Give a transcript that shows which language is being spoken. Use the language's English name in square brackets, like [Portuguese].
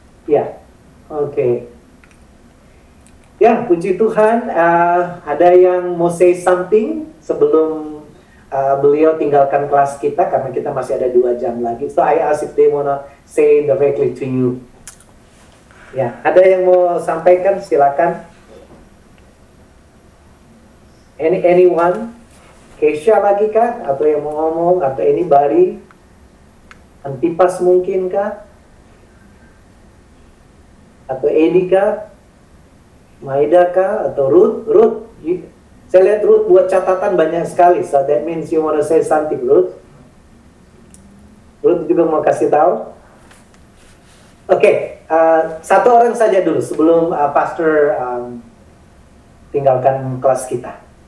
[English] Yeah. Okay. Yeah, [Indonesian] puji Tuhan. Ada yang mau [English] say something [Indonesian] sebelum beliau tinggalkan kelas kita, karena kita masih ada 2 jam lagi. [English] So I ask if they wanna say directly to you. [Indonesian] Yeah, ada yang mau sampaikan, silakan. [English] Anyone? [Indonesian] Kesha lagi kah? Atau yang mau ngomong? Atau [English] anybody? [Indonesian] Antipas mungkin kah? Atau Edika? Maida kah? Atau Ruth? Ruth? Saya lihat Ruth buat catatan banyak sekali. [English] So that means you wanna say something, Ruth? [Indonesian] Ruth juga mau kasih tahu? Oke, okay. Satu orang saja dulu sebelum Pastor tinggalkan kelas kita.